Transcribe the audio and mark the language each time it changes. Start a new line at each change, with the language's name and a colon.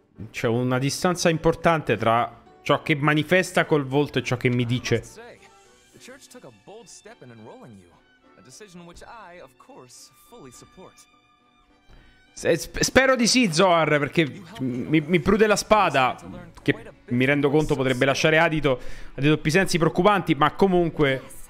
Italian: C'è una distanza importante tra ciò che manifesta col volto e ciò che mi dice.
English: The church took a bold step in enrolling you. Decision which I, of course, fully support.
Italian: Spero di sì, Zoar, perché mi prude la spada, che mi rendo conto potrebbe lasciare adito a dei doppi sensi preoccupanti, ma comunque.